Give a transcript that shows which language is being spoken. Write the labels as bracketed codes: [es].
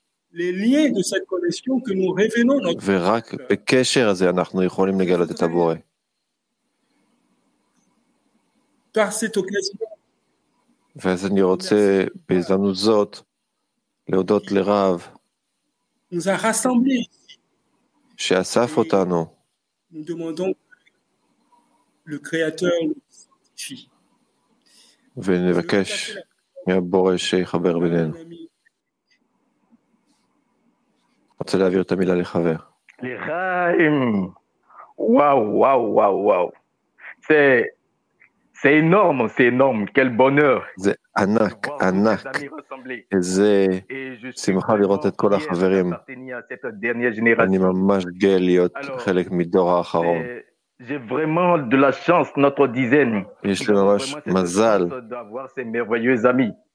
[fr] Les liens de cette connexion que nous révélons notre [he] ורק בקשר הזה אנחנו יכולים לגלות את הבורא. [fr] Par cette occasion. [he] ואז אני רוצה בהזדמנות זאת להודות לרב. [fr] Nous a rassemblés. [he] שאסף אותנו. [fr] Nous demandons le créateur [he] ונבקש מהבורא שיחבר בינינו. רוצה להעביר את המילה לחבר. לחיים. וואו, וואו, וואו, וואו. [fr] זה אינורם, זה אינורם. כל בונר. [he] זה ענק, ענק. זה שמחה לראות את כל החברים. אני ממש גאה להיות חלק מדור האחרון. [fr] J'ai vraiment de la chance, notre dizaine. [he] יש לי ממש מזל. [fr] D'avoir ces merveilleux amis.